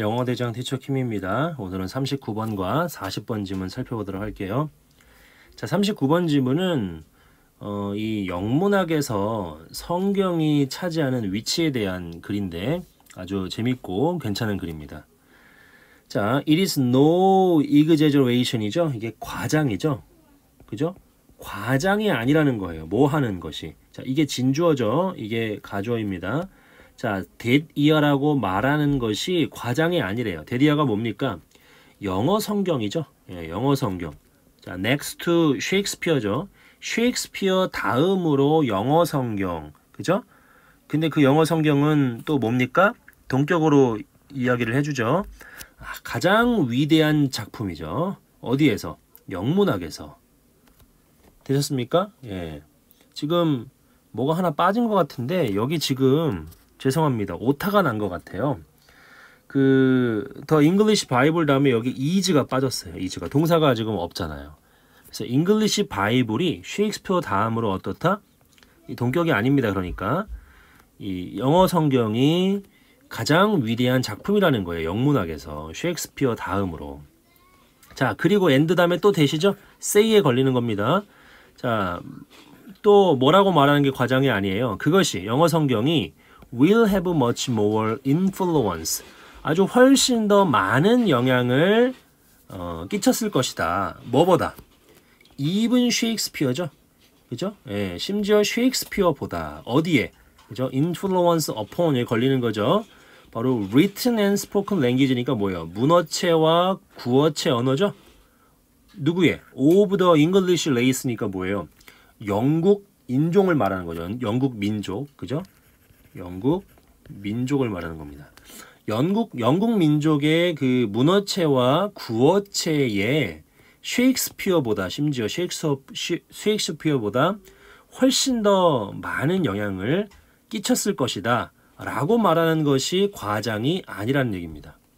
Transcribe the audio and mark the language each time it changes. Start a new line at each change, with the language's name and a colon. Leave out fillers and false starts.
Korean: 영어대장 티처 킴입니다. 오늘은 39번과 40번 지문 살펴보도록 할게요. 자, 39번 지문은 이 영문학에서 성경이 차지하는 위치에 대한 글인데 아주 재밌고 괜찮은 글입니다.
English: 자, it is no exaggeration이죠.
Korean: 이게 과장이죠. 그죠? 과장이 아니라는 거예요. 뭐 하는 것이. 자, 이게 진주어죠. 이게 가주어입니다. 자, dead ear라고 말하는 것이 과장이 아니래요. dead ear가 뭡니까? 영어 성경이죠. 예, 영어 성경.
English: 자, next to Shakespeare죠.
Korean: Shakespeare 다음으로 영어 성경. 그죠? 근데 그 영어 성경은 또 뭡니까? 동격으로 이야기를 해주죠. 아, 가장 위대한 작품이죠. 어디에서? 영문학에서. 되셨습니까? 예. 지금 뭐가 하나 빠진 것 같은데, 여기 지금 죄송합니다. 오타가 난것 같아요. 그, The English Bible 다음에 여기 is가 빠졌어요. is가. 동사가 지금 없잖아요. 그래서 English Bible이 Shakespeare 다음으로 어떻다? 이 동격이 아닙니다. 그러니까. 이 영어 성경이 가장 위대한 작품이라는 거예요. 영문학에서. Shakespeare 다음으로. 자, 그리고 end 다음에 또 되시죠? say에 걸리는 겁니다. 자, 또 뭐라고 말하는 게 과장이 아니에요. 그것이 영어 성경이
English: will have much more influence.
Korean: 아주 훨씬 더 많은 영향을 끼쳤을 것이다. 뭐보다?
English: Even Shakespeare
Korean: 죠. 그죠? 예, 심지어 Shakespeare보다. 어디에? 그죠? Influence upon에 걸리는 거죠. 바로
English: written and spoken language
Korean: 니까 뭐예요? 문어체와 구어체 언어죠? 누구의?
English: Of the English race
Korean: 니까 뭐예요? 영국 인종을 말하는 거죠. 영국 민족. 그죠? 영국 민족을 말하는 겁니다. 영국 민족의 그 문어체와 구어체에 셰익스피어보다 심지어 셰익스피어보다 훨씬 더 많은 영향을 끼쳤을 것이다 라고 말하는 것이 과장이 아니라는 얘기입니다.